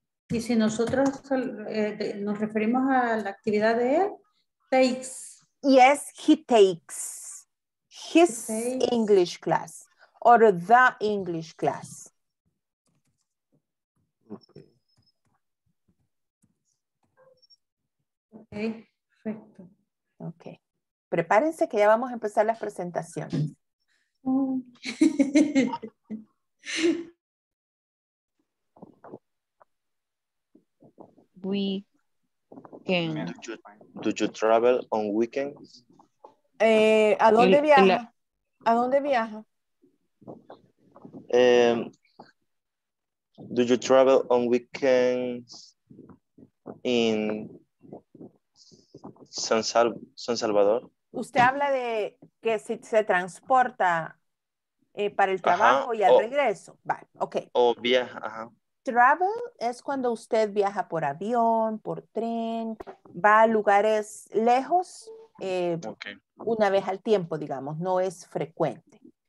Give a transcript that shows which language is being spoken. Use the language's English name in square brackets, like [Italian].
[Spanish] Y si nosotros nos referimos a la actividad de él, takes. [English] Yes, he takes his English class or the English class. [Spanish] Okay, perfecto. Okay, prepárense que ya vamos a empezar las presentaciones. [English] Week can. Do you travel on weekends? [Spanish] ¿A dónde viaja? ¿A dónde viaja? [English] Do you travel on weekends in San Salvador? [Spanish] Usted habla de que si se transporta para el trabajo y al regreso. Vale, okay. O viaja, ajá. Travel es cuando usted viaja por avión, por tren, va a lugares lejos una vez al tiempo, digamos, no es frecuente.